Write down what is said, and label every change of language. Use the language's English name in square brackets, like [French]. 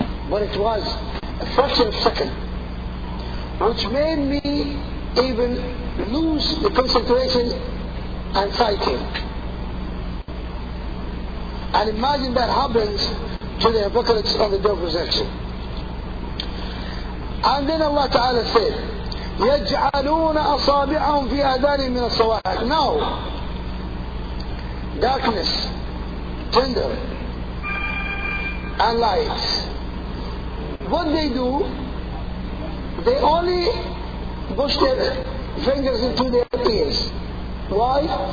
[English] But it was a fraction of a second, which made me even lose the concentration and sighting. And imagine that happens to the apocalypse on the day of resurrection. And then Allah Ta'ala said, [Arabic] يجعلون أصابعهم في آذانهم من الصواعق. [English] Now, darkness, tender, and light. What they do? They only push their fingers into their ears. Why?